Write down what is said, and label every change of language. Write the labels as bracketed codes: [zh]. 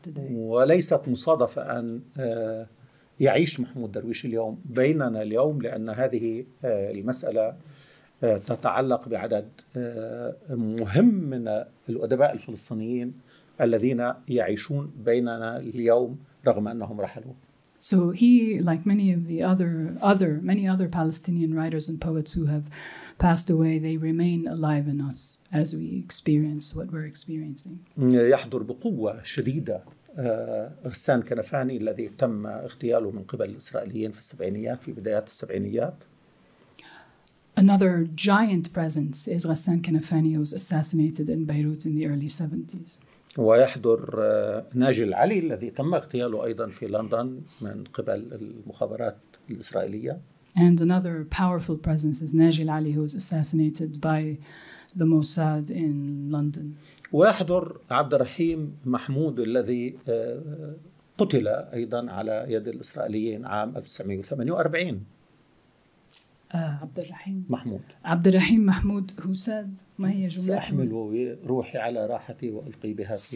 [ar] وليست مصادفة أن يعيش محمود درويش اليوم بيننا اليوم لأن هذه المسألة تتعلق بعدد مهم من الأدباء الفلسطينيين الذين يعيشون بيننا اليوم رغم أنهم رحلوا. [en] So he, like many of the many other Palestinian writers and poets who have passed away, they remain alive in us as we experience what we're experiencing. [ar] يحضر بقوة شديدة غسان كنفاني الذي تم اغتياله من قبل الإسرائيليين في السبعينيات في بدايات السبعينيات. [en] Another giant presence is Ghassan Kanafani who was assassinated in Beirut in the early 70s. [ar] ويحضر ناجي العلي الذي تم اغتياله أيضا في لندن من قبل المخابرات الإسرائيلية. [en] And another powerful presence is Naji Al Ali who was assassinated by the Mossad in London. [ar] ويحضر عبد الرحيم محمود الذي قتل أيضا على يد الإسرائيليين عام 1948. عبد الرحيم محمود. عبد الرحيم محمود [en] who said [ar] ما هي جملة سأحمل روحي على راحتي وألقي بها في